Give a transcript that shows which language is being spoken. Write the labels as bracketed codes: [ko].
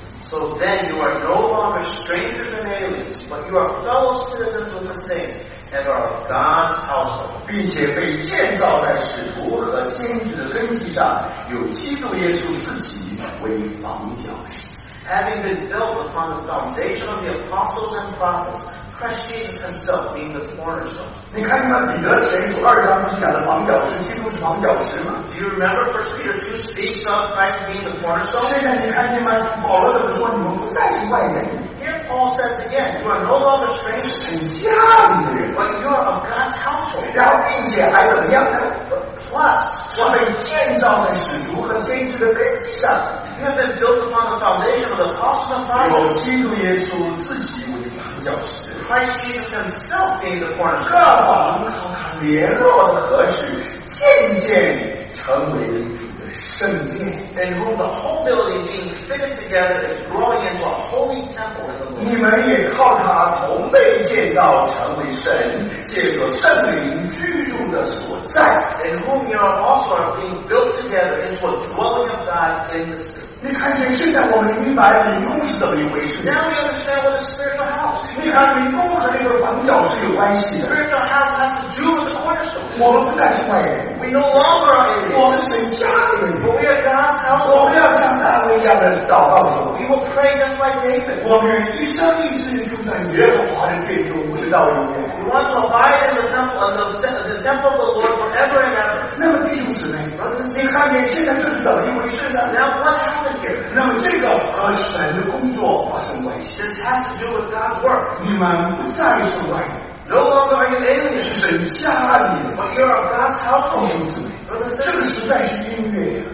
[en] So then you are no longer strangers and aliens, but you are fellow citizens with the saints and are of God's household. [zh] 并且被建造在使徒和先知的根基上，有基督耶稣自己为房角石。 [en] Having been built upon the foundation of the apostles and prophets, Christ Jesus himself being the cornerstone. [zh] 你看见吗？彼得前书二章不是讲的房角石，基督是房角石吗？ [en] Do you remember 1 Peter 2 speaks of Christ being the cornerstone? [zh] 现在你看见吗？保罗怎么说？你们不再是外人。 [en] Here Paul says again, you are no longer strangers. [zh] 是家里的人。 [en] But you are of God's household. [zh] 然后并且还怎么样呢？ [en] Plus, [zh] 我们建造在使徒和先知的根基上。 [en] You have been built upon the foundation of the apostles and prophets. [zh] 有基督耶稣自己为房角石。 [en] Christ Jesus himself being the cornerstone. [zh] 各房靠他联络的合适，渐渐成为了主的圣殿。 [en] In whom the whole building being fitted together is growing into a holy temple in the Lord. [zh] 你们也靠他同被建造，成为神借着圣灵居住的所在。 [en] In whom you are also being built together into a dwelling of God in the Spirit. [zh] 你看见现在我们明白灵宫是怎么一回事。 [en] Now we understand what a spiritual house. [zh] 你看灵宫和那个房角是有关系的。 [en] Spiritual house has to do with the cornerstone. [zh] 我们不再是外人。 [en] We no longer are aliens. [zh] 我们是家里人。 [en] But we are God's house. [zh] 我们要像大卫一样的祷告说。 [en] We will pray just like David. [zh] 我们愿一生一世住在耶和华的殿中，直到永远。 [en] We want to abide in the temple of the temple of the Lord forever and ever. [zh] 那么弟兄姊妹，你看见现在这是怎么一回事呢？ [en] Now what happened? [zh] 那么这个和神的工作发生关系。 [en] This has to do with God's work. [zh] 你们不再是外人。 [en] No longer are you aliens. [zh] 是神家里的。 [en] But you are of God's household. [zh] 弟兄姊妹，这个实在是音乐呀。